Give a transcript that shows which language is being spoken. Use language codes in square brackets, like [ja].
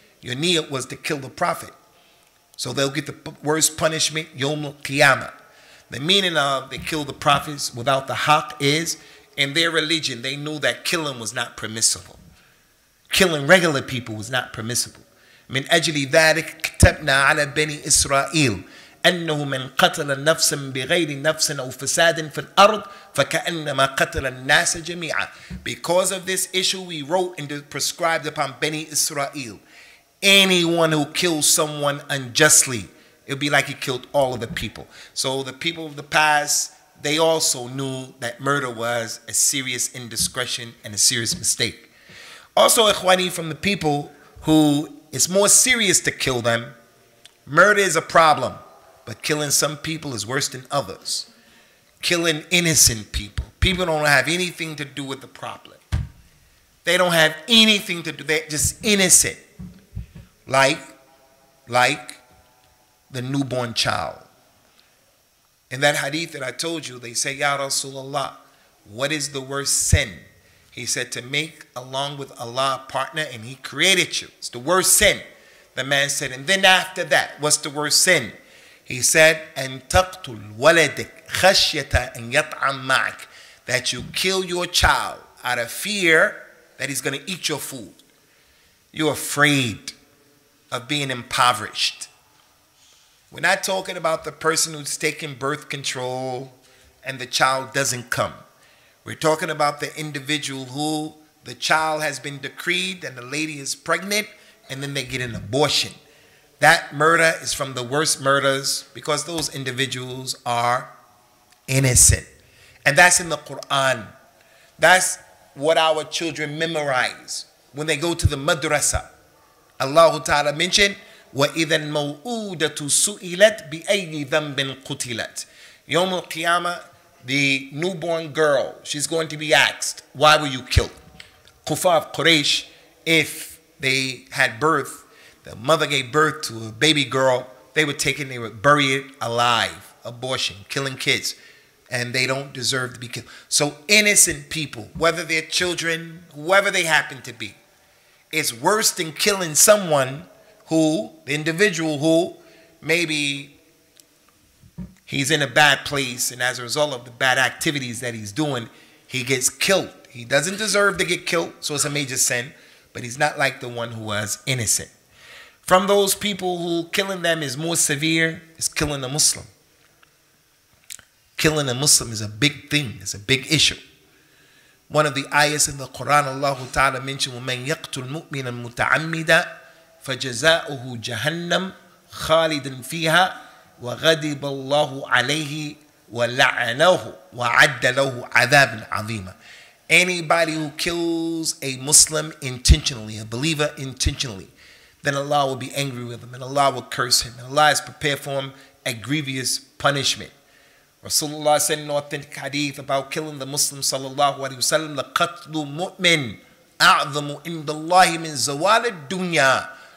[en] Your niyyah was to kill the prophet. So they'll get the worst punishment, Yawm al-Qiyamah. The meaning of they killed the prophets without the haq is, in their religion, they knew that killing was not permissible. Killing regular people was not permissible. [ar] من أجل ذلك كتبنا على بني إسرائيل أنه من قتل نفسا بغير نفس أو فساد في الأرض فكأنما قتل الناس جميعا. [en] Because of this issue, we wrote and prescribed upon Bani Israel, anyone who kills someone unjustly, it would be like he killed all of the people. So the people of the past, they also knew that murder was a serious indiscretion and a serious mistake. Also, ikhwani, from the people who it's more serious to kill them, murder is a problem, but killing some people is worse than others. Killing innocent people. People don't have anything to do with the problem. They don't have anything to do. They're just innocent. Like the newborn child. In that hadith that I told you, they say, Ya Rasulullah, what is the worst sin? He said, to make along with Allah a partner and he created you. It's the worst sin. The man said, and then after that, what's the worst sin? He said, [ar] أن تقتل ولدك خشية أن يطعم معك. [en] That you kill your child out of fear that he's going to eat your food. You're afraid of being impoverished. We're not talking about the person who's taking birth control and the child doesn't come. We're talking about the individual who the child has been decreed and the lady is pregnant and then they get an abortion. That murder is from the worst murders because those individuals are innocent. And that's in the Quran. That's what our children memorize when they go to the madrasa. Allah Ta'ala mentioned, [ar] وَإِذَا الْمَوْءُودَةُ سُئِلَتْ بِأَيِّ ذَنْبٍ قُتِلَتْ. يَوْمُ الْقِيَامَةِ, [en] the newborn girl, she's going to be asked, why were you killed? Kufar of Quraysh, if they had birth, the mother gave birth to a baby girl, they were taken, they would bury it alive. Abortion, killing kids. And they don't deserve to be killed. So innocent people, whether they're children, whoever they happen to be, it's worse than killing someone who, the individual who, maybe he's in a bad place and as a result of the bad activities that he's doing, he gets killed. He doesn't deserve to get killed, so it's a major sin, but he's not like the one who was innocent. From those people who killing them is more severe, is killing a Muslim. Killing a Muslim is a big thing, it's a big issue. One of the ayahs in the Quran, Allah Ta'ala mentioned, [ar] وَمَنْ يَقْتُلْ مُؤْمِنًا مُتَعَمِّدًا فَجَزَاؤُهُ جَهَنَّمْ خَالِدًا فِيهَا وَغَدِبَ اللَّهُ عَلَيْهِ وَلَعَنَهُ وَعَدَّ لَهُ عَذَابٍ عَظِيمًا. [en] Anybody who kills a Muslim intentionally, a believer intentionally, then Allah will be angry with him and Allah will curse him and Allah is prepared for him a grievous punishment. Rasulullah said in an authentic hadith about killing the Muslim sallallahu alayhi wa sallam, [ar] لَقَتْلُ مُؤْمِنْ أَعْظَمُ إِنْدَ اللَّهِ مِنْ زَوَالِ الدُّنْيَا.